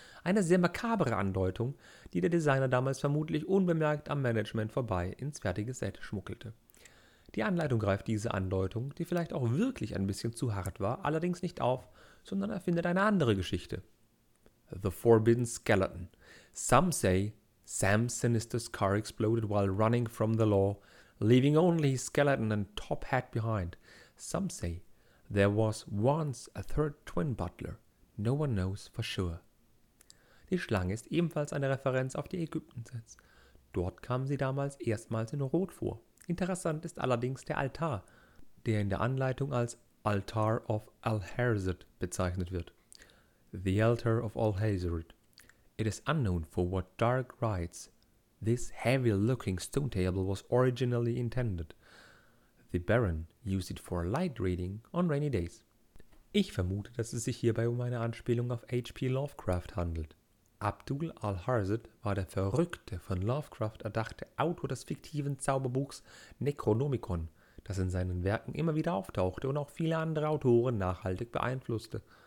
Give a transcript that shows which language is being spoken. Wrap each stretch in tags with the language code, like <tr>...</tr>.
<de>Eine sehr makabere Andeutung, die der Designer damals vermutlich unbemerkt am Management vorbei ins fertige Set schmuggelte. Die Anleitung greift diese Andeutung, die vielleicht auch wirklich ein bisschen zu hart war, allerdings nicht auf, sondern erfindet eine andere Geschichte.</de> <en>The Forbidden Skeleton. Some say Sam Sinister's car exploded while running from the law, leaving only his skeleton and top hat behind. Some say there was once a third twin butler. No one knows for sure.</en> <de>Die Schlange ist ebenfalls eine Referenz auf die Ägypten-Sets. Dort kam sie damals erstmals in Rot vor. Interessant ist allerdings der Altar, der in der Anleitung als Altar of Alhazred bezeichnet wird.</de> <en>The Altar of Alhazred. It is unknown for what dark rites this heavy-looking stone table was originally intended. The Baron used it for light reading on rainy days.</en> <de>Ich vermute, dass es sich hierbei um eine Anspielung auf H.P. Lovecraft handelt. Abdul Alhazred war der verrückte, von Lovecraft erdachte Autor des fiktiven Zauberbuchs Necronomicon, das in seinen Werken immer wieder auftauchte und auch viele andere Autoren nachhaltig beeinflusste.</de>